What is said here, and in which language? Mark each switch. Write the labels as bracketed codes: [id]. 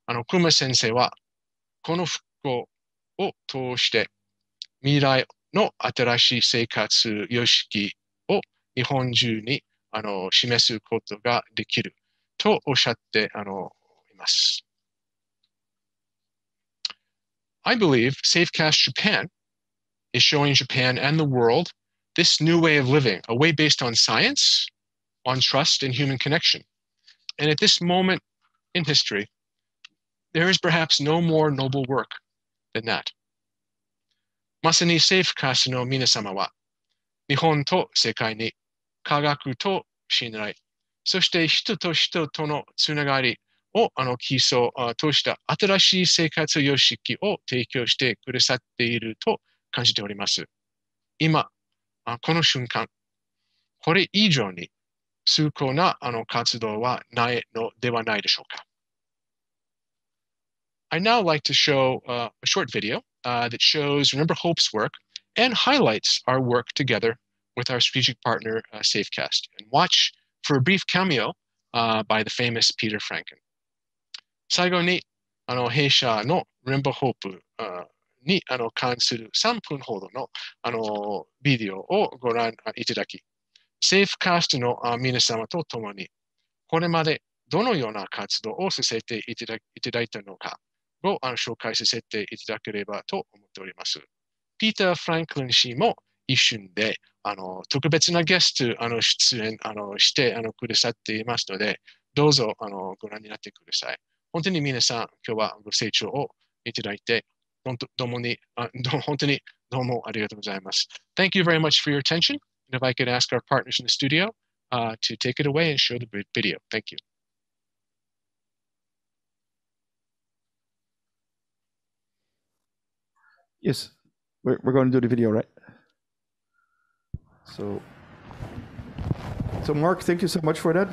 [ja] 熊先生は、この復興を通して未来の新しい生活様式を日本中にあの示すことができるとおっしゃってあのいます。 [en] I believe Safecast Japan is showing Japan and the world this new way of living, a way based on science, on trust and human connection. And at this moment in history, there is perhaps no more noble work than that. [ja] まさに Safecast の皆様は、日本と世界に科学と信頼、そして人と人とのつながりをあの基礎とした新しい生活様式を提供してくださっていると感じております。今、この瞬間、これ以上に崇高なあの活動はないのではないでしょうか。 [en] I'd now like to show a short video that shows Remember Hope's work and highlights our work together with our strategic partner Safecast. And watch for a brief cameo by the famous Peter Franken. [ja] 最後にあの弊社の Remember Hope にあの関する3分ほどの、あのビデオをご覧いただき、Safecast の皆様とともに、これまでどのような活動をさせていただいたのか、を紹介させていただければと思っております。ピーター・フランクリン氏も一瞬であの特別なゲストあの出演あのしてあのくださっていますので、どうぞあのご覧になってください。本当に皆さん、今日はご清聴をいただいて、本当にどうもありがとうございます。 [en] Thank you very much for your attention. And if I could ask our partners in the studio to take it away and show the video. Thank you. Yes, we're going to do the video, right? So Mark, thank you so much for that.